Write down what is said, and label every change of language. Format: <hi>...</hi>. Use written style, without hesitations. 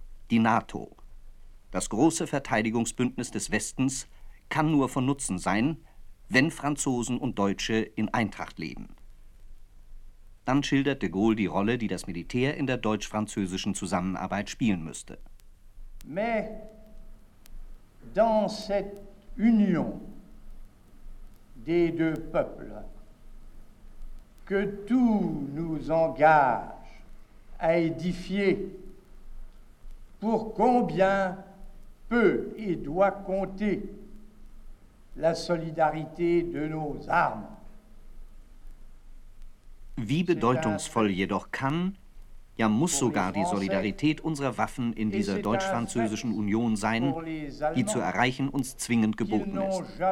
<de>Die NATO, das große Verteidigungsbündnis des Westens, kann nur von Nutzen sein, wenn Franzosen und Deutsche in Eintracht leben. Dann schildert de Gaulle die Rolle, die das Militär in der deutsch-französischen Zusammenarbeit spielen müsste.</de> <fr>Mais dans cette union des deux peuples que tout nous engage à édifier, pour combien peut et doit compter la solidarité de nos armes.</fr> <de>Wie bedeutungsvoll jedoch kann, ja muss sogar die Solidarität unserer Waffen in dieser deutsch-französischen Union sein, die zu erreichen uns zwingend geboten ist.</de>